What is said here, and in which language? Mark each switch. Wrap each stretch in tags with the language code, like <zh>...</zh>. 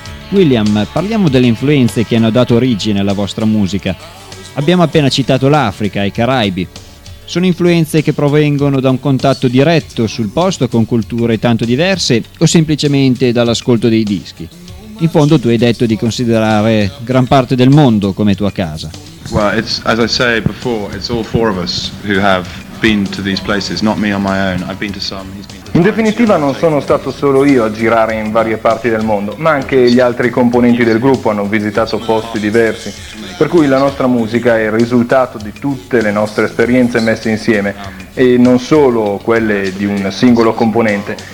<it>William, parliamo delle influenze che hanno dato origine alla vostra musica. Abbiamo appena citato l'Africa e i Caraibi. Sono influenze che provengono da un contatto diretto sul posto con culture tanto diverse o semplicemente dall'ascolto dei dischi? In fondo tu hai detto di considerare gran parte del mondo come tua casa.</it> <en>Well, it's as I say before, it's all four of us who have been to these places, not me on my own. I've been to some, he's been.</en> <it>In definitiva non sono stato solo io a girare in varie parti del mondo, ma anche gli altri componenti del gruppo hanno visitato posti diversi, per cui la nostra musica è il risultato di tutte le nostre esperienze messe insieme e non solo quelle di un singolo componente.</it>